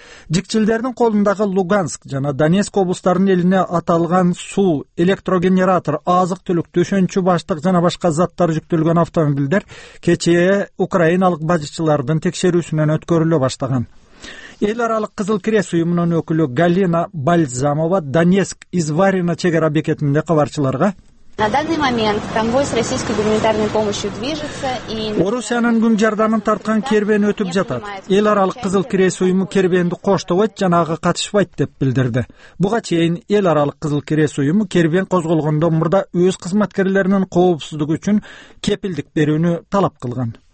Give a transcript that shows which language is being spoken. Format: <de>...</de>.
<ky>Жикчилдердин колундагы Луганск жана Донецк облустарынын элине аталган суу, электрогенератор, азык түлүк, төшөнчү баштык жана башка заттар жүктөлгөн автомобилдер кечээ украиналык базачылардын текшерүүсүнөн өткөрүлө баштаган. Эл аралык Кызыл Крест уюмунун өкүлү Галина Бальзамова Донецк Изварина чек ара бекетинде кабарчыларга:</ky> <ru>На данный момент конвой с российской гуманитарной помощью движется и</ru> <ky>Орусиянын күн жардамын тарткан кербен өтүп жатат. Эл аралык Кызыл Крест уюму кербенди коштобойт жана ага катышпайт деп билдирди. Буга чейин эл аралык Кызыл Крест уюму кербен козголгондо мурда өз кызматкерлеринин коопсуздугу үчүн кепилдик берүүнү талап кылган.</ky>